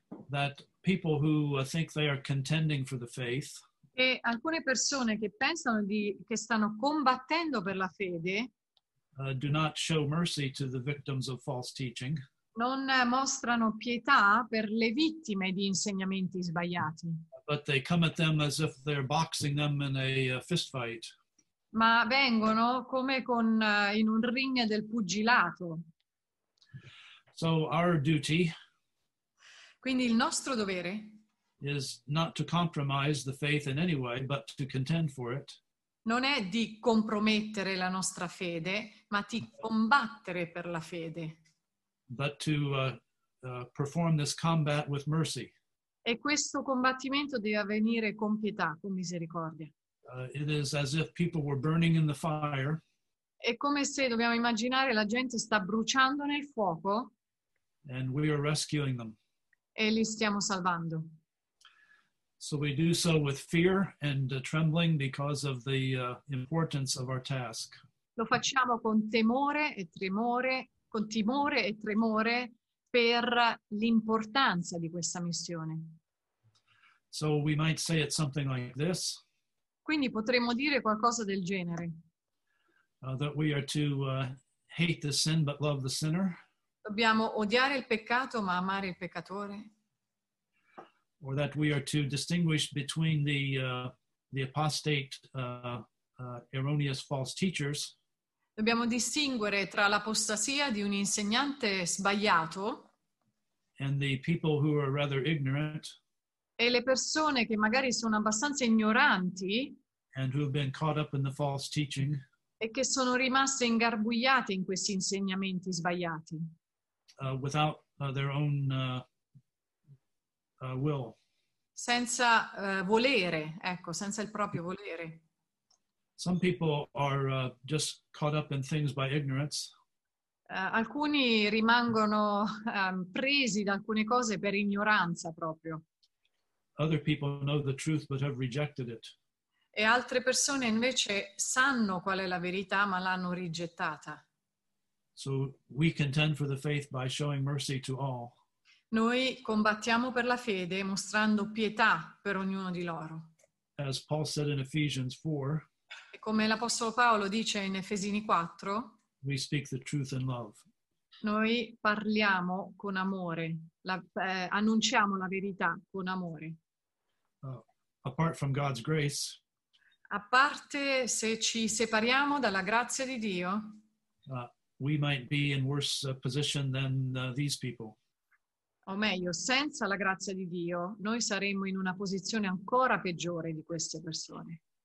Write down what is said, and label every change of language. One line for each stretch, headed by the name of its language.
English: that people who think they are contending for the faith,
Italian: e alcune persone che pensano di che stanno combattendo per la fede,
English: do not show mercy to the victims of false teaching.
Italian: Non mostrano pietà per le vittime di insegnamenti sbagliati.
English: But they come at them as if they're boxing them in a fist fight.
Italian: Ma vengono come con in un ring del pugilato.
English: So our duty,
Italian: quindi il nostro dovere,
English: is not to compromise the faith in any way, but to contend for it.
Italian: Non è di compromettere la nostra fede, ma di combattere per la fede.
English: But to perform this combat with mercy.
Italian: E questo combattimento deve avvenire con pietà, con misericordia.
English: It is as if people were burning in the fire.
Italian: È come se dobbiamo immaginare la gente sta bruciando nel fuoco.
English: And we are rescuing them.
Italian: E li stiamo salvando.
English: So we do so with fear and trembling because of the importance of our task.
Italian: Lo facciamo con temore e tremore, con timore e tremore per l'importanza di questa missione.
English: So we might say it something like this.
Italian: Quindi potremmo dire qualcosa del genere.
English: That we are to hate the sin but love the sinner.
Italian: Dobbiamo odiare il peccato ma amare il peccatore.
English: Or that we are to distinguish between the apostate erroneous false teachers.
Italian: Dobbiamo distinguere tra l'apostasia di un insegnante sbagliato
English: and the people who are rather ignorant
Italian: e le persone che magari sono abbastanza ignoranti
English: and who have been caught up in the false teaching
Italian: e che sono rimaste ingarbugliate in questi insegnamenti sbagliati.
English: Without their own will.
Italian: Senza volere, ecco, senza il proprio volere.
English: Some people are just caught up in things by ignorance.
Italian: Alcuni rimangono presi da alcune cose per ignoranza proprio.
English: Other people know the truth but have rejected it.
Italian: E altre persone invece sanno qual è la verità ma l'hanno rigettata.
English: So we contend for the faith by showing mercy to all.
Italian: Noi combattiamo per la fede mostrando pietà per ognuno di loro.
English: As Paul said in Ephesians 4,
Italian: e come l'Apostolo Paolo dice in Efesini 4,
English: we speak the truth in love.
Italian: Noi parliamo con amore, annunciamo la verità con amore.
English: Apart from God's grace,
Italian: a parte se ci separiamo dalla grazia di Dio,
English: we might be in worse position than these people.
Italian: O meglio, senza la grazia di Dio, noi saremmo in una posizione ancora peggiore di queste persone.